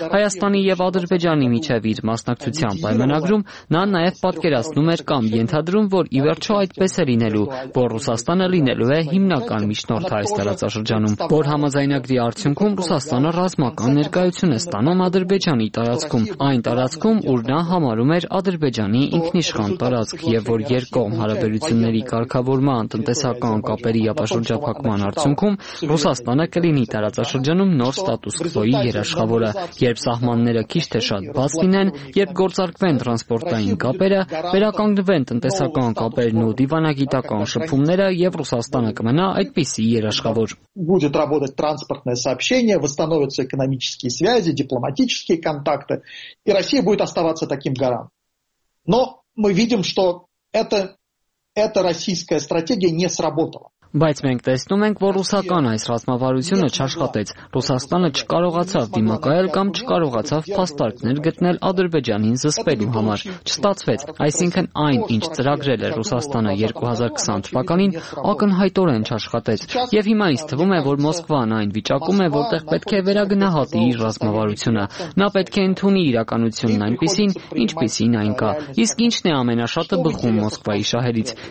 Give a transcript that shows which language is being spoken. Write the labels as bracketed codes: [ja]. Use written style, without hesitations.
[hy] Հայաստանի եւ Ադրբեջանի միջև իր մասնակցության պայմանագրում, նա նաեւ պատկերացնում էր կամ ենթադրում, որ ի վերջո այդպես է լինելու, որ Ռուսաստանը լինելու է հիմնական միջնորդ այս տարածաշրջանում, որ համաձայնագրի արդյունքում Ռուսաստանը ռազմական ներկայություն է ստանում Ադրբեջանի տարածքում, այն տարածքում, ուր նա համարում էր Ադրբեջանի ինքնիշխան տարածք, եւ որ երկկողմ հարաբերությունների կարգավորման տնտեսական կապերի ապահովջապակման արդյունքում Ռուսաստանը կլինի տարածաշրջանում նոր ստատուս քվոյի երաշխավորը, երբ սահմանները քիչ թե շատ բաց լինեն, երբ գործարկվեն տրանսպորտային կապերը, վերականգնվեն տնտեսական կապերն ու դիվանագիտական շփումները, եւ Ռուսաստանը կմնա այդպիսի երաշխավոր։ [ru] Будет работать транспортное сообщение, восстановятся экономические связи, дипломатические контакты, и Россия будет оставаться таким гарантом. Но мы видим, что эта российская стратегия не сработала. [hy] Բայց մենք տեսնում ենք, որ ռուսական այս ռազմավարությունը չաշխատեց։ Ռուսաստանը չկարողացավ դիմակայել կամ չկարողացավ փաստարկներ գտնել Ադրբեջանին զսպելու համար։ Չստացվեց։ Այսինքն, այն, ինչ ծրագրել էր Ռուսաստանը 2020 թվականին, ակնհայտորեն չաշխատեց։ Եվ հիմա ինձ թվում է, որ Մոսկվան այն վիճակում է, որտեղ պետք է վերագնահատի իր ռազմավարությունը։ Նա պետք է ընդունի իրականությունն այնպիսին, ինչպիսին այն կա։ Իսկ ինչն է ամենաշատը բխում Մոսկվայի շահերից։